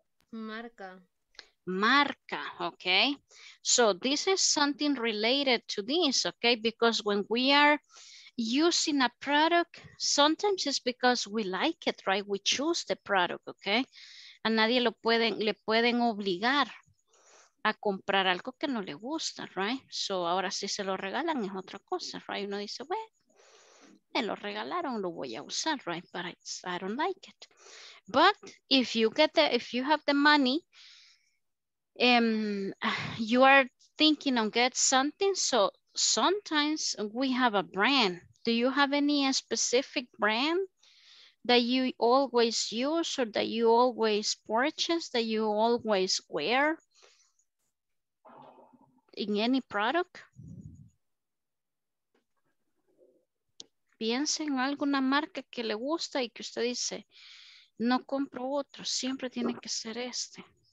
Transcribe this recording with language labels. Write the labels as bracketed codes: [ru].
[es] Marca. Marca, okay? [en] So this is something related to this, okay? Because when we are using a product, sometimes it's because we like it, right? We choose the product, okay? [es] A nadie lo pueden, le pueden obligar a comprar algo que no le gusta, right? So ahora si se lo regalan es otra cosa, right? Uno dice, bueno, me lo regalaron, lo voy a usar, right? [en] But it's, I don't like it. But if you get the, if you have the money, you are thinking on get something. So sometimes we have a brand. Do you have any specific brand that you always use or that you always purchase, that you always wear in any product? [es] Piensa en alguna marca que le gusta y que usted dice, no compro otro, siempre tiene que ser este.